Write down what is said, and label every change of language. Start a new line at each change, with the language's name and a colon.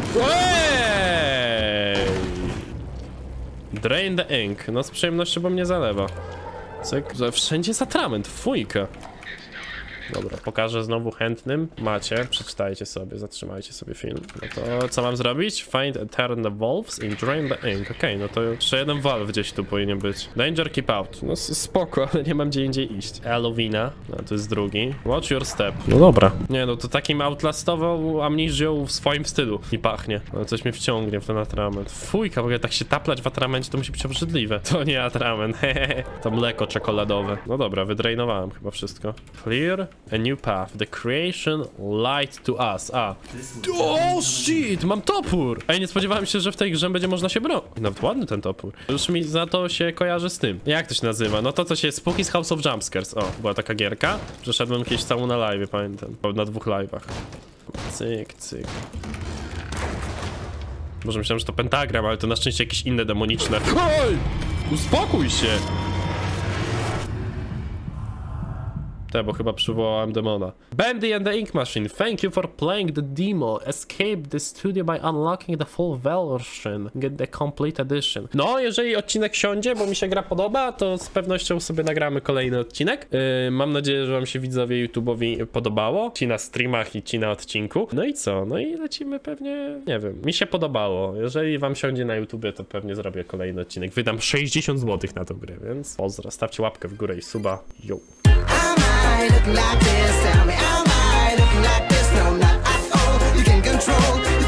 English: Ej! Drain the ink.
Polish: No z przyjemnością, bo mnie zalewa. Cyk, wszędzie jest atrament. Fujka. Dobra, pokażę znowu chętnym. Macie, przeczytajcie sobie, zatrzymajcie sobie film. No to co mam zrobić?
English: Find and turn the valves and drain the ink.
Polish: Okej, okay, no to jeszcze jeden valve gdzieś tu powinien być.
English: Danger, keep out.
Polish: No spoko, ale nie mam gdzie indziej iść. Elowina. No to jest drugi. Watch your step. No dobra. Nie, no to takim outlastową amnizją w swoim stylu. I pachnie. No coś mnie wciągnie w ten atrament. Fujka, w ogóle tak się taplać w atramencie to musi być obrzydliwe. To nie atrament, to mleko czekoladowe. No dobra, wydrainowałem chyba wszystko.
English: Clear. A new path, the creation light to us.
Polish: A,
English: oh shit,
Polish: mam topór. Ej, nie spodziewałem się, że w tej grze będzie można się bronić. Nawet ładny ten topór. Już mi za to się kojarzy z tym. Jak to się nazywa? No to co się spóki z House of Jumpscares. O, była taka gierka. Przeszedłem kiedyś całą na live, pamiętam. Na dwóch live'ach. Cyk, cyk. Może myślałem, że to pentagram, ale to na szczęście jakieś inne demoniczne. Oj, uspokój się. Te, bo chyba przywołałem demona.
English: Bendy and the Ink Machine, thank you for playing the demo. Escape the studio by unlocking the full version. Get the complete edition.
Polish: No, jeżeli odcinek siądzie, bo mi się gra podoba, to z pewnością sobie nagramy kolejny odcinek. Mam nadzieję, że wam się widzowie YouTube'owi podobało. Ci na streamach i ci na odcinku. No i co? No i lecimy pewnie, nie wiem. Mi się podobało. Jeżeli wam siądzie na YouTubie, to pewnie zrobię kolejny odcinek. Wydam 60 zł na tą grę, więc pozdro. Stawcie łapkę w górę i suba. Yo.
English: Looking like this, tell me, am I looking like this? No, not at all, you can control.